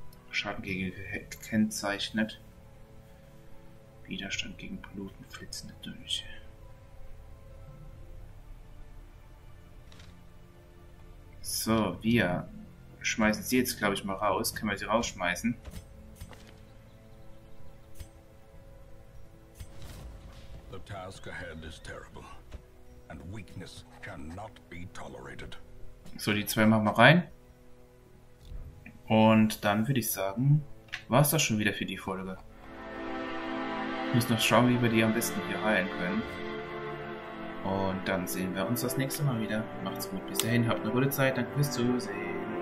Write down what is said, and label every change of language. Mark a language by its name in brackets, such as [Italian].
[German] Schaden gegen gekennzeichnet. Widerstand gegen Piloten flitzende Dolche. So, wir schmeißen sie jetzt, glaube ich, mal raus. Können wir sie rausschmeißen? [English] The task ahead is terrible, and weakness cannot be tolerated. [German] So, die zwei machen wir rein. Und dann würde ich sagen, war es das schon wieder für die Folge. Ich muss noch schauen, wie wir die am besten hier heilen können. Und dann sehen wir uns das nächste Mal wieder. Macht's gut. Bis dahin, habt eine gute Zeit. Danke fürs Zusehen.